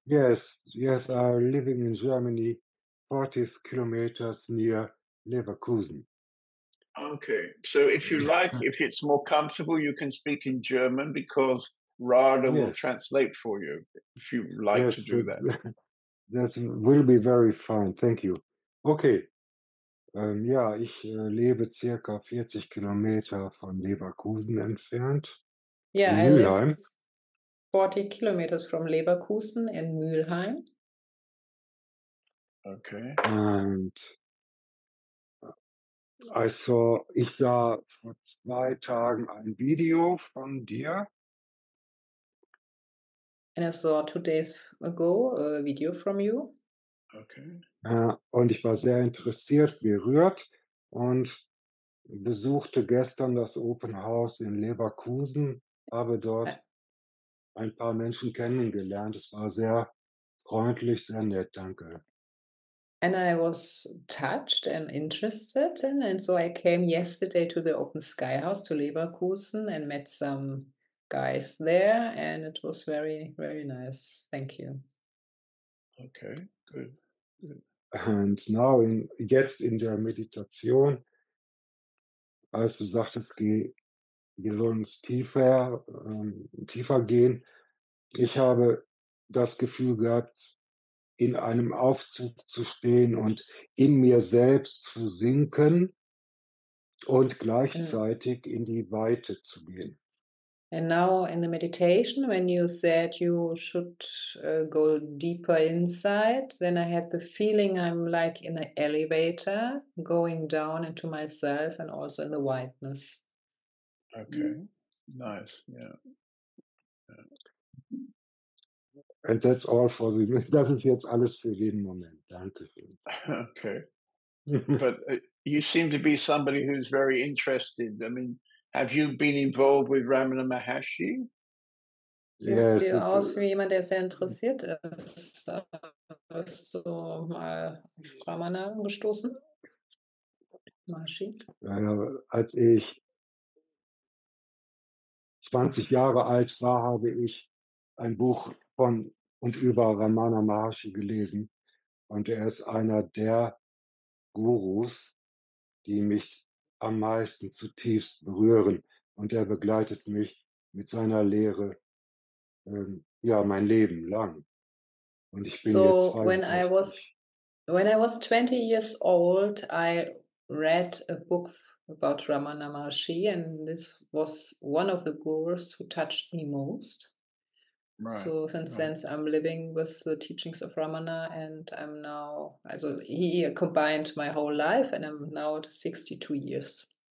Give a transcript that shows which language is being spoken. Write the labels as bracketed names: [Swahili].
[English] Yes, I'm living in Germany, 40 kilometers near Leverkusen. Okay, so if you like, if it's more comfortable, you can speak in German because Rada will translate for you if you like to do that. That will be very fine, thank you. [German] Okay, ich lebe circa 40 Kilometer von Leverkusen entfernt. [English] Yeah, [German] in Mülheim. [English] 40 kilometers from Leverkusen in Mülheim. Okay. And [German] ich sah vor zwei Tagen ein Video von dir. [English] And I saw 2 days ago a video from you. Okay. [German] Und ich war sehr interessiert, berührt und besuchte gestern das Open House in Leverkusen, habe dort ein paar Menschen kennengelernt. Es war sehr freundlich, sehr nett. Danke. [English] And I was touched and interested in, and so I came yesterday to the Open Sky House to Leverkusen and met some guys there, and it was very, very nice. Thank you. Okay, good. And now, [German] jetzt in der Meditation, als du sagtest, wir sollen uns tiefer gehen, ich habe das Gefühl gehabt, in einem Aufzug zu stehen und in mir selbst zu sinken und gleichzeitig in die Weite zu gehen. [English] And now in the meditation, when you said you should go deeper inside, then I had the feeling I'm like in an elevator going down into myself and also in the whiteness. Okay, nice, yeah. And that's all for the moment. [German] Das ist jetzt alles für jeden Moment. Danke. [English] Okay. But you seem to be somebody who's very interested. I mean, have you been involved with Ramana Maharshi? Yes. [German] Sieht aus wie jemand, der sehr interessiert ist. Hast du mal auf Ramana gestoßen? Maharshi? Als ich 20 Jahre alt war, habe ich ein Buch von und über Ramana Maharshi gelesen. Und er ist einer der Gurus, die mich am meisten zutiefst berühren. Und er begleitet mich mit seiner Lehre mein Leben lang. Und ich bin [English] so when I was 20 years old, I read a book about Ramana Maharshi, and this was one of the gurus who touched me most. Right. So since then, right. I'm living with the teachings of Ramana, and I'm now, also he combined my whole life, and I'm now at 62 years.